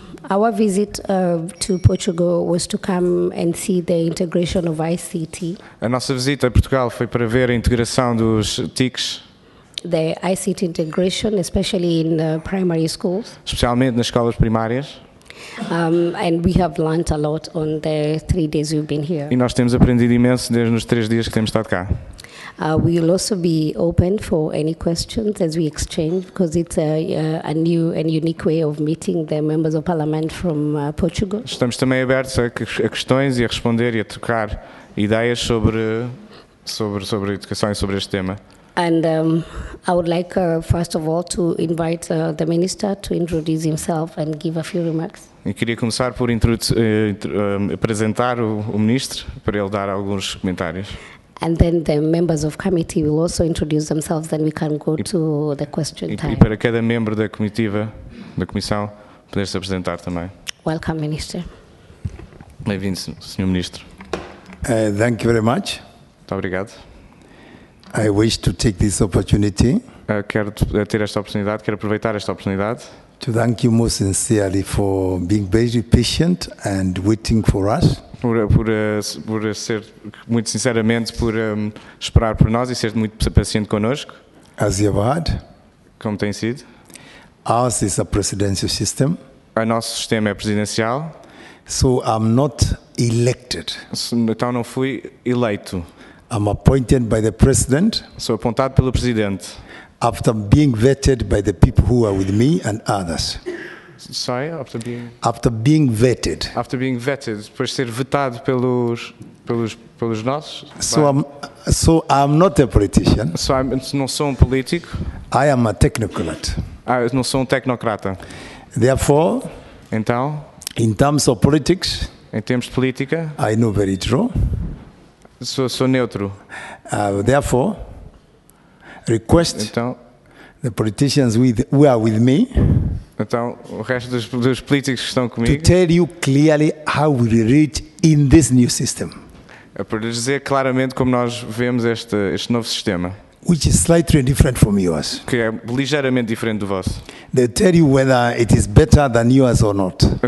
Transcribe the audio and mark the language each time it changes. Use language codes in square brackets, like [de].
[en] Our visit to Portugal was to come and see the integration of ICT. [pt] A nossa visita a Portugal foi para ver a integração dos TICs. [en] The ICT integration, especially in primary schools. [pt] Especialmente nas escolas primárias. [en] And we have learned a lot on the 3 days we've been here. [pt] E nós temos aprendido imenso desde os 3 dias que temos estado cá. [en] We will also be open for any questions as we exchange, because it's a new and unique way of meeting the members of parliament from Portugal. [pt] Estamos também abertos a questões e a responder e a trocar ideias sobre educação e sobre este tema. [en] And I would like, first of all, to invite the minister to introduce himself and give a few remarks. [pt] E queria começar por apresentar o ministro para ele dar alguns comentários. [en] And then the members of committee will also introduce themselves. Then we can go to the question time. [pt] E para cada membro da comitiva, da comissão, poder se apresentar também. [en] Welcome, minister. [pt] Bem-vindo, senhor ministro. [en] Thank you very much. [pt] Muito obrigado. [en] I wish to take this opportunity. [pt] Quero aproveitar esta oportunidade. [en] To thank you most sincerely for being very patient and waiting for us. [pt] Por ser muito sinceramente por esperar por nós e ser muito paciente connosco. [en] As you have had. [pt] Como tem sido? [en] Ours is a presidential system. [pt] O nosso sistema é presidencial. [en] So I'm not elected. [pt] Então não fui eleito. [en] I'm appointed by the president. [pt] Sou apontado pelo presidente. [en] After being vetted by the people who are with me and others. Sorry, after being. After being vetted. After being vetted, [pt] depois de ser vetado pelos nossos. [en] So I'm not a politician. [pt] Não sou um político. [en] I am a technocrat. [pt] Não sou um tecnocrata. [en] Therefore. [pt] Então. [en] In terms of politics. [pt] Em termos de política. [en] I know very true. [pt] Sou neutro. [en] Therefore, request [pt] então, [en] the politicians who are with me. [pt] Então, o resto dos políticos que estão comigo. [en] To tell you clearly how we read in this new system. [pt] É para lhes dizer claramente como nós vemos este novo sistema. [en] Which is slightly different from yours. [pt] Que é ligeiramente diferente do vosso. [en] They tell you whether it is better than yours or not.